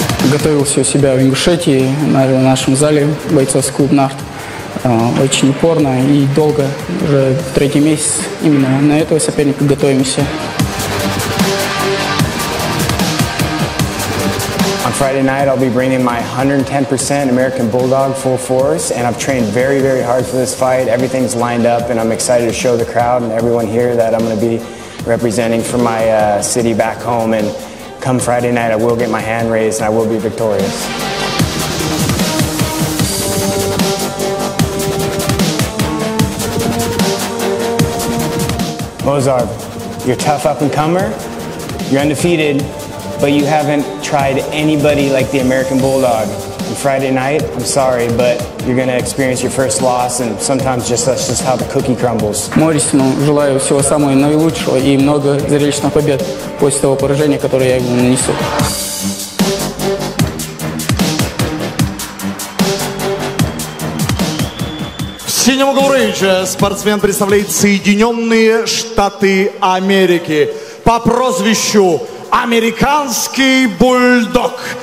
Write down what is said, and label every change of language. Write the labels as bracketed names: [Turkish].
[Russian] Готовился у себя в Ингушетии, на нашем зале бойцовский клуб «Нарт». Очень упорно и долго, уже третий месяц именно на этого соперника готовимся. [English] On Friday night I'll be bringing my 110% American Bulldog full force, and I've trained very, very hard for this fight. Everything's lined up, and I'm excited to show the crowd and everyone here that I'm going to be representing for my city back home. And come Friday night, I will get my hand raised and I will be victorious. Mozarv, you're a tough up-and-comer, you're undefeated, but you haven't tried anybody like the American Bulldog. On Friday night, I'm sorry, but you're going to experience your first loss, and sometimes just that's just how the cookie crumbles. [Russian] Моррисону желаю всего самого наилучшего и много зрелищных побед после того поражения, которое я ему нанесу. В синем углу рейджа спортсмен представляет Соединенные Штаты Америки по прозвищу Американский Бульдог.